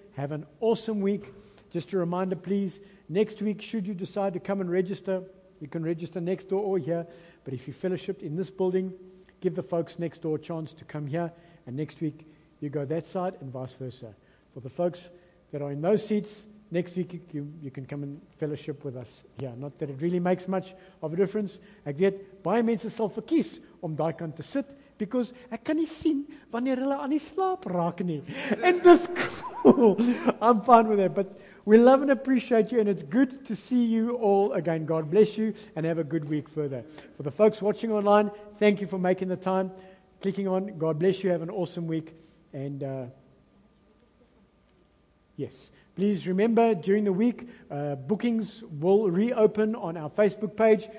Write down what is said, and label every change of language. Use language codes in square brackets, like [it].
[en] Have an awesome week. Just a reminder, please, next week, should you decide to come and register, you can register next door or here. But if you fellowshiped in this building, give the folks next door a chance to come here. And next week, you go that side and vice versa. For the folks that are in those seats, next week, you can come and fellowship with us here. Not that it really makes much of a difference. [af] Ek weet, baie mense sal verkies om daai kant te sit, [en] because [af] ek kan nie sien wanneer hulle aan die slaap raak nie. [en] And this cool. I'm fine with that. But we love and appreciate you, and it's good to see you all again. God bless you, and have a good week further. For the folks watching online, thank you for making the time. clicking on. God bless you. Have an awesome week. And yes, please remember during the week, bookings will reopen on our Facebook page.